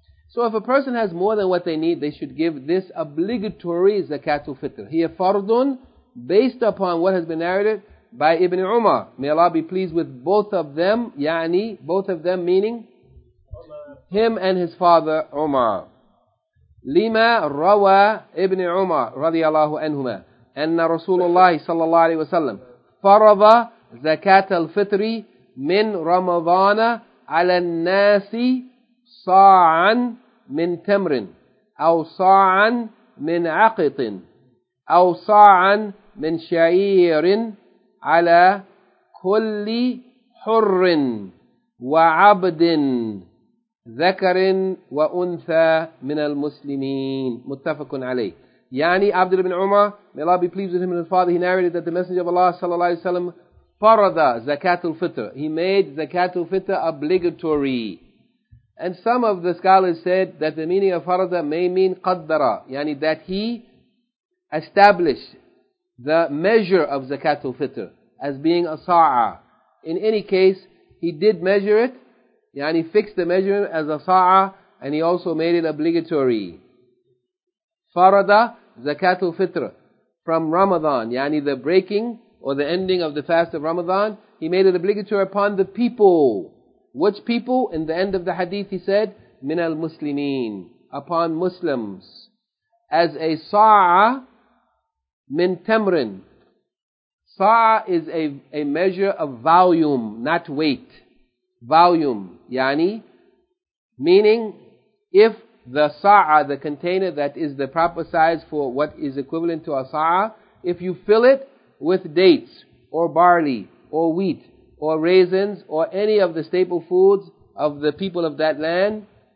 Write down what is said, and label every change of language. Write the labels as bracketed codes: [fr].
[en] So if a person has more than what they need, they should give this obligatory Zakat al-Fitr. Here fardun, based upon what has been narrated by Ibn Umar. May Allah be pleased with both of them, yani, both of them meaning him and his father Umar. [ar] لما روى ابن عمر رضي الله عنهما أن رسول الله صلى الله عليه وسلم فرض زكاة الفطر من رمضان على الناس صاعا من تمر أو صاعا من عقط أو صاعا من شعير على كل حر وعبد ذكر وأنثى من المسلمين متفق عليه. [en] يعني عبد الله بن عمر, may Allah be pleased with him and his father, he narrated that the Messenger of Allah [ar] صلى الله عليه وسلم فرض زكاة الفطر. [en] He made زكاة الفطر obligatory. And some of the scholars said that the meaning of فرض may mean قدر, يعني that he established the measure of زكاة الفطر as being a صاع. In any case, he did measure it, يعني fixed the measurement as a صاع, and he also made it obligatory. [ar] فرض زكاة الفطر [en] from Ramadan, يعني the breaking or the ending of the fast of Ramadan, he made it obligatory upon the people. Which people? In the end of the hadith he said, [ar] من المسلمين, [en] upon Muslims. As a [ar] صاع من تمرن. [en] صاع is a measure of volume, not weight. Volume, يعني, meaning if the sa'a, the container that is the proper size for what is equivalent to a sa'a, if you fill it with dates or barley or wheat or raisins or any of the staple foods of the people of that land,